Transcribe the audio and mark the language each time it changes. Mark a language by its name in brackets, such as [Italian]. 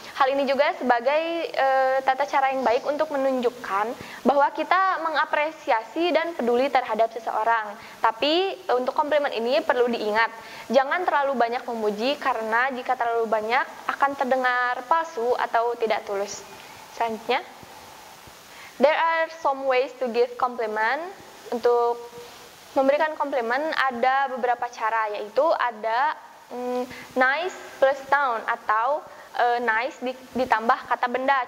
[Indonesian] Hal ini juga sebagai tata cara yang baik untuk menunjukkan bahwa kita mengapresiasi dan peduli terhadap seseorang. Tapi untuk komplimen ini perlu diingat, jangan terlalu banyak memuji karena jika terlalu banyak akan terdengar palsu atau tidak tulus. Selanjutnya, [English] there are some ways to give compliment. [Indonesian] Untuk memberikan komplimen ada beberapa cara, yaitu ada [English] nice plus noun [Indonesian] atau nice ditambah kata benda.